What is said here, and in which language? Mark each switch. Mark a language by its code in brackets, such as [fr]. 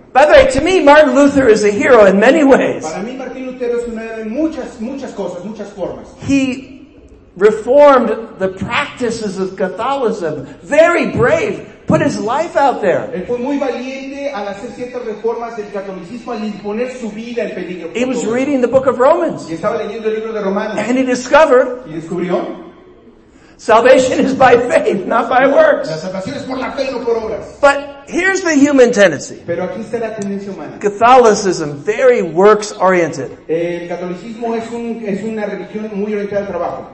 [en] By the way, to me, Martin Luther is a hero in many ways. [es] Para mí, Martín Lutero es un héroe en muchas, muchas cosas, muchas formas. [en] He reformed the practices of Catholicism. Very brave. Put his life out there. [es] Él fue muy valiente al hacer ciertas reformas del catolicismo, al imponer su vida en peligro. [en] He was reading the book of Romans. [es] Y estaba leyendo el libro de Romanos. [en] And he discovered. [es] Y descubrió. [en] Salvation is by faith, not by works. [es] La salvación es por la fe, no por obras. [en] But here's the human tendency. [es] Pero aquí está la tendencia humana. [en] Catholicism, very works oriented. [es] El catolicismo es una religión muy orientada al trabajo.